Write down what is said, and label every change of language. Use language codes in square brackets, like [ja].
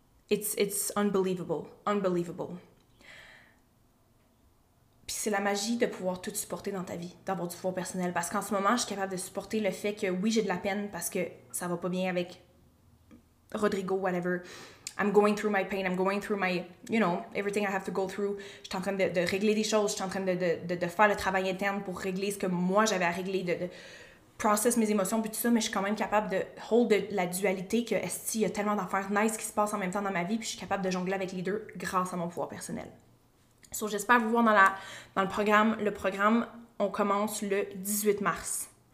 [en] It's unbelievable, unbelievable. [fr] Puis c'est la magie de pouvoir tout supporter dans ta vie, d'avoir du pouvoir personnel. Parce qu'en ce moment, je suis capable de supporter le fait que oui, j'ai de la peine parce que ça va pas bien avec [en] Rodrigo, whatever. I'm going through my pain. I'm going through my, you know, everything I have to go through. [fr] Je suis en train de régler des choses. Je suis en train de faire le travail interne pour régler ce que moi, j'avais à régler, de process mes émotions, puis tout ça. Mais je suis quand même capable de hold la dualité que, est-ce, il y a tellement d'affaires nice qui se passent en même temps dans ma vie, puis je suis capable de jongler avec les deux grâce à mon pouvoir personnel. So, j'espère vous voir dans, dans le programme. Le programme, on commence le 18 mars.